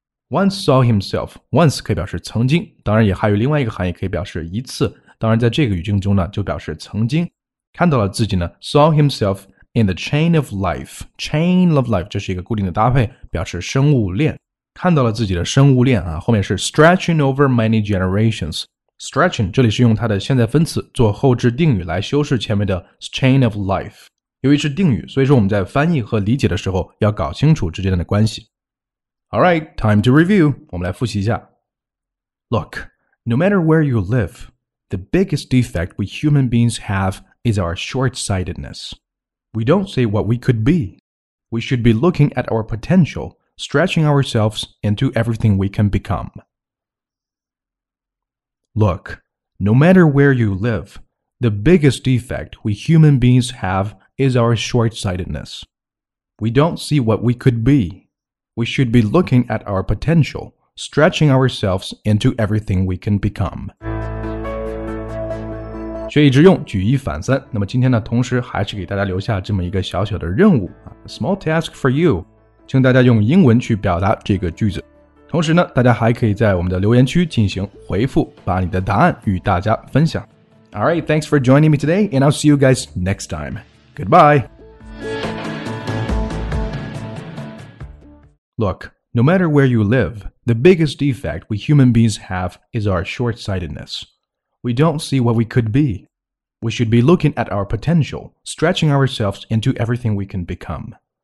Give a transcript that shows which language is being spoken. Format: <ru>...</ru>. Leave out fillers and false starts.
<en>Once saw himself，</en> <zh>once 可以表示曾经，当然也还有另外一个含义可以表示一次，当然在这个语境中呢就表示曾经看到了自己呢</zh> <en>saw himself in the chain of life，</en> <zh>chain of life 这是一个固定的搭配，表示生物链，看到了自己的生物链啊，后面是</zh> <en>stretching over many generations。</en> <zh>Stretching 这里是用它的现在分词做后置定语来修饰前面的 chain of life。由于是定语，所以说我们在翻译和理解的时候要搞清楚之间的关系。</zh> <en>All right, time to review.</en> <zh>我们来复习一下。</zh> <en>Look, no matter where you live, the biggest defect we human beings have is our short-sightedness. We don't see what we could be. We should be looking at our potential, stretching ourselves into everything we can become. Look, no matter where you live, the biggest defect we human beings have is our short-sightedness. We don't see what we could be. We should be looking at our potential, stretching ourselves into everything we can become.</en> <zh>学以致用，举一反三。那么今天呢，同时还是给大家留下这么一个小小的任务 ,</zh> <en>a small task for you,</en> <zh>请大家用英文去表达这个句子。同时呢大家还可以在我们的留言区进行回复把你的答案与大家分享。</zh> <en>Alright, thanks for joining me today, and I'll see you guys next time. Goodbye! Look, no matter where you live, the biggest defect we human beings have is our short-sightedness. We don't see what we could be. We should be looking at our potential, stretching ourselves into everything we can become.</en>